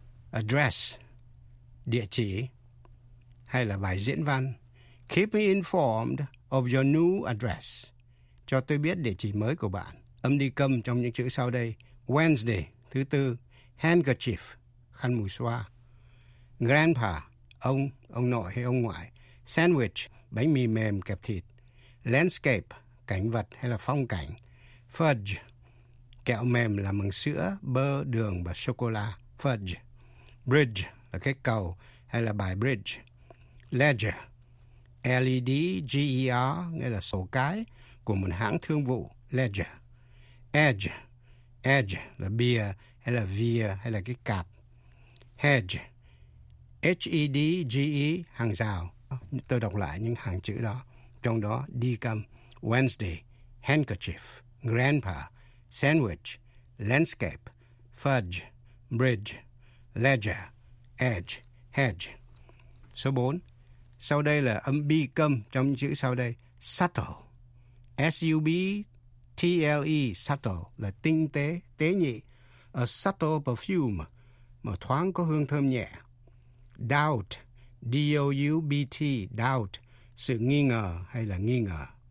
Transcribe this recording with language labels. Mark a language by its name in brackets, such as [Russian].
[Vietnamese] Address, địa chỉ, hay là bài diễn văn. [English] Keep me informed of your new address. [Vietnamese] Cho tôi biết địa chỉ mới của bạn. Âm đi câm trong những chữ sau đây. Wednesday, thứ tư. Handkerchief, khăn mùi xoa. Grandpa, ông nội hay ông ngoại. Sandwich, bánh mì mềm kẹp thịt. Landscape, cảnh vật hay là phong cảnh. Fudge, kẹo mềm làm bằng sữa, bơ, đường và sô-cô-la. Fudge. Bridge là cái cầu hay là bài bridge. Ledger, L-E-D-G-E-R, nghĩa là sổ cái của một hãng thương vụ, Ledger. Edge, edge là bìa hay là via hay là cái cạp. Hedge, H-E-D-G-E, hàng rào. Tôi đọc lại những hàng chữ đó, trong đó đi câm. [English] Wednesday, handkerchief, grandpa, sandwich, landscape, fudge, bridge, ledger, edge, hedge. [Vietnamese] Số 4. Sau đây là âm bi câm trong những chữ sau đây. Subtle, S-U-B-T-L-E, subtle là tinh tế, tế nhị. [English] A subtle perfume, [Vietnamese] một thoáng có hương thơm nhẹ. Doubt, D-O-U-B-T, doubt, sự nghi ngờ hay là nghi ngờ.